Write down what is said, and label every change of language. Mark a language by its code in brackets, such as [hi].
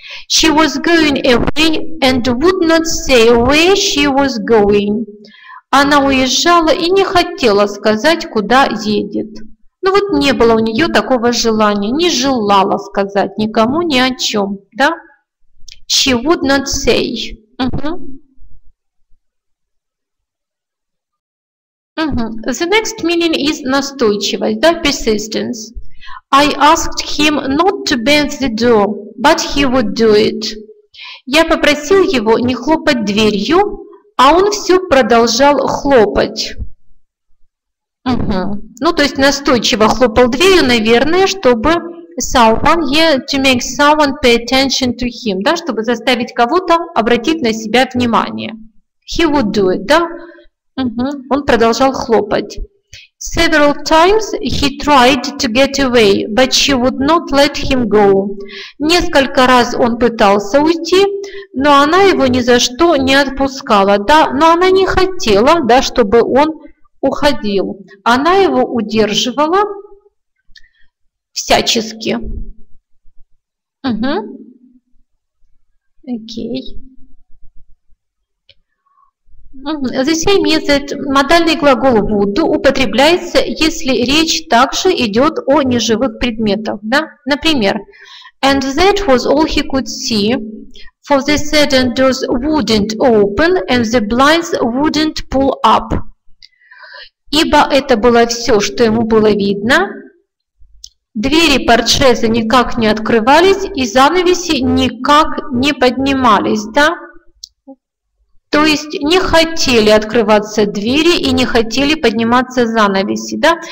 [en] She was going away and would not say where she was going. [ru] Она уезжала и не хотела сказать, куда едет. Ну вот не было у нее такого желания, не желала сказать никому ни о чем, да? [en] She would not say. The next meaning is [ru] настойчивость, да, [en] persistence. I asked him not to bend the door, but he would do it. [ru] Я попросил его не хлопать дверью, а он все продолжал хлопать. Ну, то есть настойчиво хлопал дверью, наверное, чтобы [en] someone, yeah, to make someone pay attention to him, [ru] да, чтобы заставить кого-то обратить на себя внимание. [en] He would do it, [ru] да? Он продолжал хлопать. [en] Several times he tried to get away, but she would not let him go. [ru] Несколько раз он пытался уйти, но она его ни за что не отпускала. Да, но она не хотела, да, чтобы он уходил. Она его удерживала всячески. Окей. [en] The same is that [ru] модальный глагол would употребляется, если речь также идет о неживых предметах, да? Например, [en] and that was all he could see, for the sudden doors wouldn't open and the blinds wouldn't pull up. [ru] Ибо это было все, что ему было видно. Двери портшеза никак не открывались и занавеси никак не поднимались, да? То есть не хотели открываться двери и не хотели подниматься занавеси, да?